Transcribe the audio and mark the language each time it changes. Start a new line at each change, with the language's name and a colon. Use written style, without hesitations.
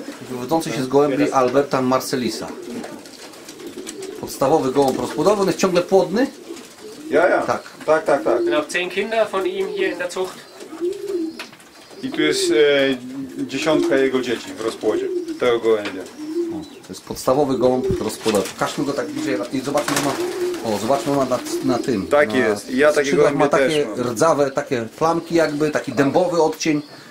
Polish: Wywodzący się z gołębi Alberta Marcellisa. Podstawowy gołąb rozpłodowy, on jest ciągle płodny.
German: Ja, ja.
Polish: Tak, tak, tak. Tak.
German: Noch 10 Kinder von ihm hier in der Zucht.
Polish: I tu jest dziesiątka jego dzieci w rozpłodzie, tego gołębia. To jest podstawowy gołąb rozpłodowy. Pokażmy go tak bliżej i zobaczmy, że ma. O, zobaczmy, ma na tym. Tak na, jest. Ja takiego ma takie rdzawe, takie flamki jakby, taki dębowy odcień.